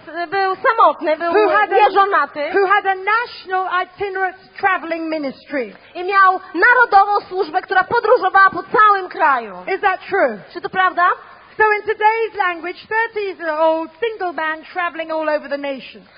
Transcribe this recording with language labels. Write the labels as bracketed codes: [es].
[pl] Był samotny, był nieżonaty. [en] Who had a national itinerant traveling ministry. [pl] I miał narodową służbę, która podróżowała po całym kraju. [en] Is that true? [pl] Czy to prawda? [en] So in today's language, 30-year-old single man traveling all over the nation.